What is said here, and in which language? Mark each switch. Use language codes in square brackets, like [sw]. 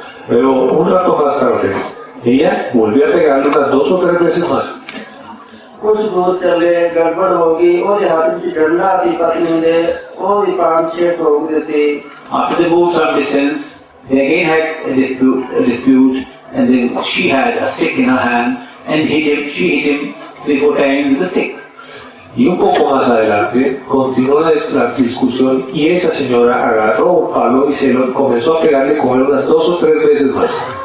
[es] Pero un rato más tarde, ella volvió a pegarle unas 2 o 3 veces más. [pa] ਕੁਛ ਦੂਰ ਚੱਲੇ ਗੜਬੜ ਹੋ ਗਈ, ਉਹਦੇ ਹੱਥ ਵਿੱਚ ਡੰਡਾ ਸੀ ਪਤਨੀ ਦੇ, ਉਹਦੀ 5-6 ਠੋਕ ਦਿੱਤੀ। [en] After they moved some distance, they again had a dispute, and then she had a stick in her hand, and she hit him 3-4 times with the stick. [es] Y un poco más adelante, continuó la discusión, y esa señora agarró un palo y se lo comenzó a pegarle con él unas 2 o 3 veces más.